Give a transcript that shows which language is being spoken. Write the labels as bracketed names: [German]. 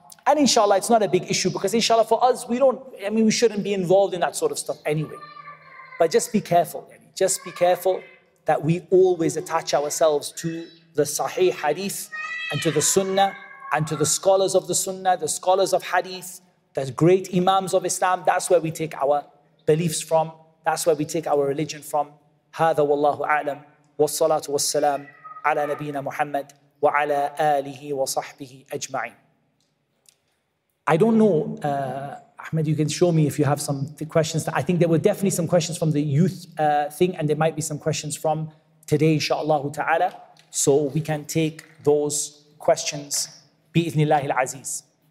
[English] And inshallah, it's not a big issue because inshallah for us, we shouldn't be involved in that sort of stuff anyway. But just be careful. Just be careful that we always attach ourselves to the sahih hadith and to the sunnah and to the scholars of the sunnah, the scholars of hadith, the great imams of Islam. That's where we take our beliefs from. That's where we take our religion from. [Arabic] هذا والله أعلم والصلاة والسلام على نبينا محمد وعلى آله وصحبه أجمعين. [English] I don't know, Ahmed, you can show me if you have some questions. I think there were definitely some questions from the youth thing and there might be some questions from today, inshallah ta'ala. So we can take those questions. [Arabic] بِإِذْنِ العزيز.